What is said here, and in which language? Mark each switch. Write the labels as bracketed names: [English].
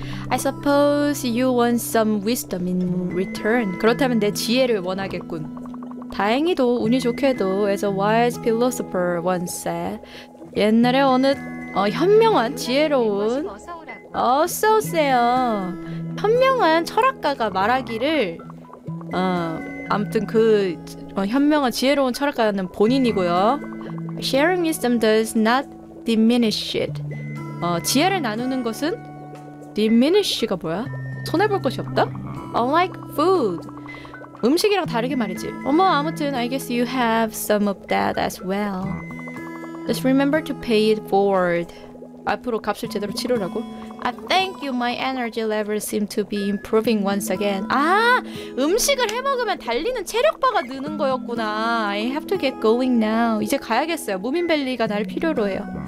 [English] I suppose you want some wisdom in return. [Korean] 그렇다면 내 지혜를 원하겠군. 다행히도 운이 좋게도 [English] as a wise philosopher once said [Korean] 옛날에 어느 현명한 지혜로운 어서오세요 현명한 철학가가 말하기를 아무튼 그 현명한 지혜로운 철학가는 본인이고요. [English] Sharing wisdom does not diminish it. [Korean] 지혜를 나누는 것은 diminish가 뭐야? 손해볼 것이 없다? [English] Unlike food. [Korean] 음식이랑 다르게 말이지. 어머, 아무튼 [English] I guess you have some of that as well. Just remember to pay it forward. [Korean] 앞으로 값을 제대로 치르라고? [English] I thank you. My energy levels seem to be improving once again. [Korean] 아, 음식을 해먹으면 달리는 체력바가 느는 거였구나. [English] I have to get going now. [Korean] 이제 가야겠어요. 무민밸리가 날 필요로 해요.